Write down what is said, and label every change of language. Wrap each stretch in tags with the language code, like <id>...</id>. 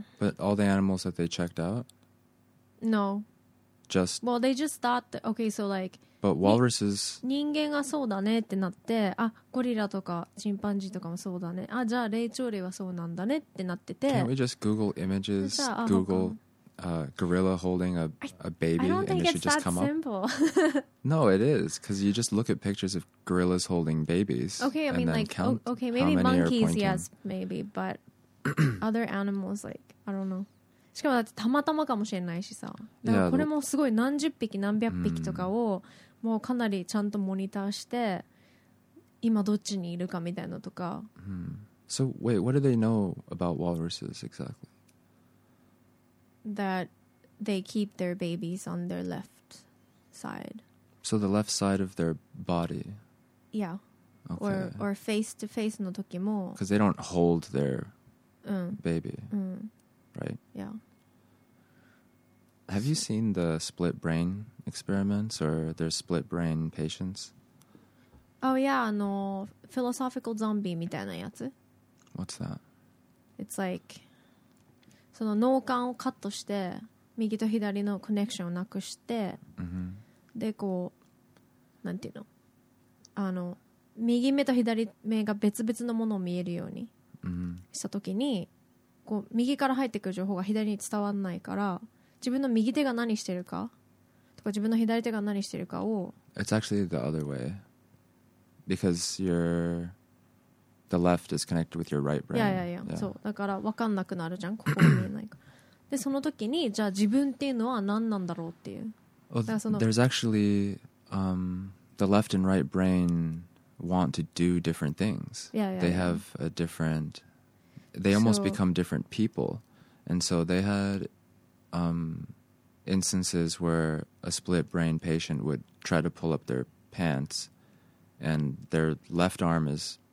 <en>But all the animals that they checked out, no, just well, they just thought, that, okay, so like, but walruses.</en> <ja>人間がそうだねってなって、あ、ゴリラとかチンパンジーとかもそうだね。あ、じゃあ霊長類はそうなんだねってなってて。</ja> <en>Can't we just Google images? Google a gorilla holding a baby, and it should just come up. I don't think it's that simple. No, it is, because you just look at pictures of gorillas holding babies. Okay, I mean, like, okay, maybe monkeys, yes, maybe, but other animals, like, I don't know.</en> <ja>しかもだってたまたまかもしれないしさ。だからこれもすごい何十匹何百匹とかをもうかなりちゃんとモニターして今どっちにいるかみたいなとか。</ja> <en>So, wait, what do they know about walruses exactly? That they keep their babies on their left side. So the left side of their body. Yeah. Okay. Or face to face</en> <ja>の時も.</ja> <en>Because they don't hold their baby. Right? Yeah. Have you seen the split brain experiments or their split brain patients? Oh yeah, philosophical zombie</en> <ja>みたいなやつ.</ja> <en>What's that? It's like...</en> <ja>その脳幹をカットして右と左のコネクションをなくして、 mm-hmm. でこうなんていうの右目と左目が別々のものを見えるようにした時に、 mm-hmm. こう右から入ってくる情報が左に伝わらないから自分の右手が何してるかとか自分の左手が何してるかを</ja> <en>It's actually the other way because youreThe left is connected with your right brain. Yeah, yeah, yeah. yeah.</en> <ja>So, だから分かんなくなるじゃん。ここに見えないか。で、その時に、じゃあ自分っていうのは何なんだろうっていう。</ja> <en>Well, there's actually, the left and right brain want to do different things. Yeah, yeah. They have a different, they almost become different people. And so they had, instances where a split brain patient would try to pull up their pants and their left arm is...</en>